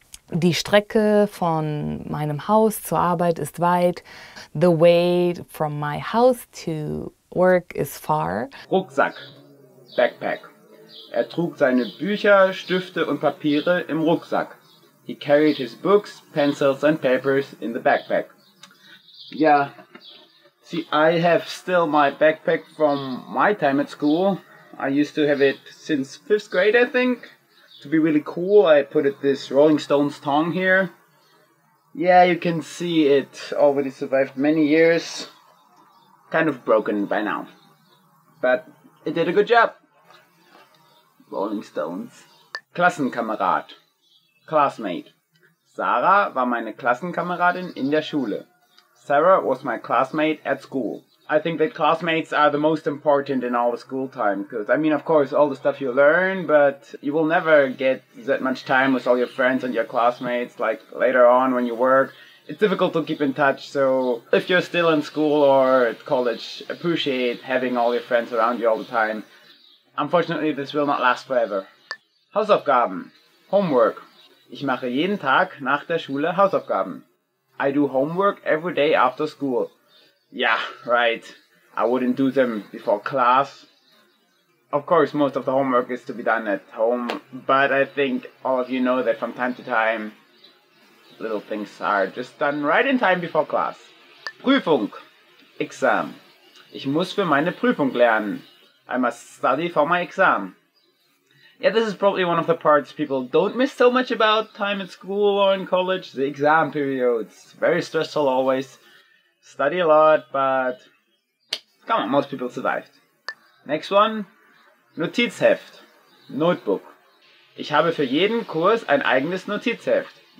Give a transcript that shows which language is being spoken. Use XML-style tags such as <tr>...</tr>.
<de>Die Strecke von meinem Haus zur Arbeit ist weit.</de> <en>The way from my house to work is far.</en> <de>Rucksack, Backpack. Er trug seine Bücher, Stifte und Papiere im Rucksack.</de> <en>He carried his books, pencils and papers in the backpack. Yeah. See, I have still my backpack from my time at school. I used to have it since fifth grade, I think. To be really cool, I put it this Rolling Stones tong here. Yeah, you can see it already survived many years. Kind of broken by now. But it did a good job. Rolling Stones. Klassenkamerad. Classmate.</en> <de>Sarah war meine Klassenkameradin in der Schule.</de> <en>Sarah was my classmate at school. I think that classmates are the most important in all the school time, because, I mean, of course, all the stuff you learn, but you will never get that much time with all your friends and your classmates, like, later on when you work. It's difficult to keep in touch, so if you're still in school or at college, appreciate having all your friends around you all the time. Unfortunately, this will not last forever. Hausaufgaben. Homework.</en> <de>Ich mache jeden Tag nach der Schule Hausaufgaben.</de> <en>I do homework every day after school. Yeah, right. I wouldn't do them before class. Of course, most of the homework is to be done at home, but I think all of you know that from time to time, little things are just done right in time before class.</en> <de>Prüfung. Exam. Ich muss für meine Prüfung lernen.</de> <en>I must study for my exam. Yeah, this is probably one of the parts people don't miss so much about time at school or in college. The exam period. It's very stressful always. Study a lot, but come on, most people survived. Next one. Notizheft. Notebook.</en> <de>Ich habe für jeden Kurs ein eigenes Notizheft.</de>